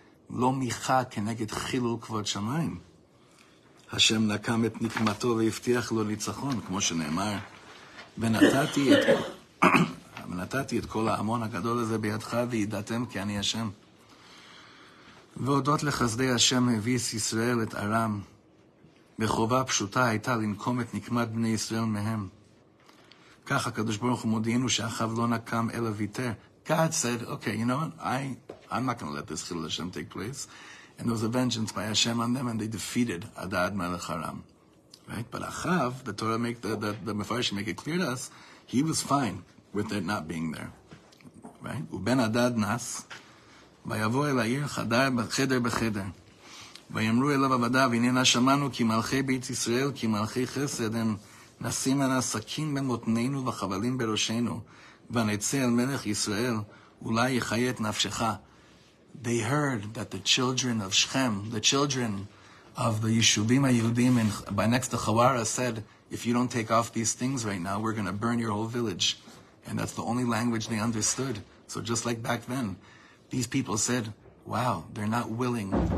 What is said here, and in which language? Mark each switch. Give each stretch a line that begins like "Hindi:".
Hebrew: לא מיכה כנגד חילול כבוד שמיים. השם נקם את נקמתו והבטיח לו ניצחון, כמו שנאמר, ונתתי את כל ההמון הגדול הזה בידך, וידעתם כי אני השם. והודות לחסדי השם הביס ישראל את ארם, בחובה פשוטה הייתה לנקום את נקמת בני ישראל מהם. כך הקדוש ברוך הוא מודיענו שאחיו לא נקם אלא ויתר.
English: God said, okay, you know what? I'm not going to let this chilul Hashem take place. And there was a vengeance by Hashem on them and they defeated Adad Melech Aram. Right? But אחיו, the Torah make the Mefarshim make it clear to us, he was fine with it not being there. Right?
Hebrew: ובן אדד נס, ויבוא אל העיר חדר בחדר. וימרו אליו עבדיו, הננה שמענו כי מלכי בית ישראל, כי מלכי חסד, הם נשים על הסכין במותנינו וחבלים בראשנו, ונצא אל מלך ישראל, אולי יחיית נפשך.
English: They heard that the children of Shechem, the children of the יישובים היהודים, by next to Chawara said, if you don't take off these things right now, we're going to burn your whole village. And that's the only language they understood. So just like back then, these people said, wow, they're not willing.